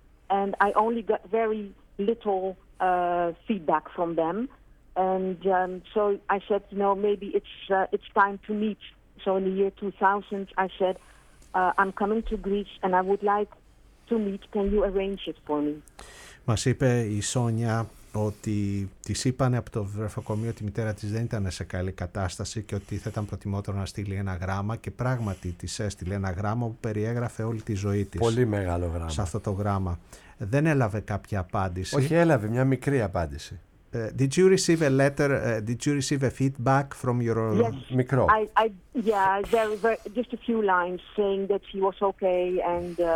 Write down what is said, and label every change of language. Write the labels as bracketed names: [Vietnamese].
[English] And I only got very little feedback from them. And so I said, you know, maybe it's time to meet. So in the year 2000, I said, I'm coming to Greece and I would like to meet, can you arrange it for me? [Greek] Μας είπε η Σόνια ότι της είπανε από το βρεφοκομείο ότι η μητέρα της δεν ήταν σε καλή κατάσταση και ότι θα ήταν προτιμότερο να στείλει ένα γράμμα, και πράγματι της έστειλε ένα γράμμα που περιέγραφε όλη τη ζωή της. Πολύ μεγάλο γράμμα. Σε αυτό το γράμμα. Δεν έλαβε κάποια απάντηση. Όχι, έλαβε μια μικρή απάντηση. [English] Did you receive a letter, did you receive a feedback from your... Yes. Micro. Yeah, just a few lines saying that she was okay and...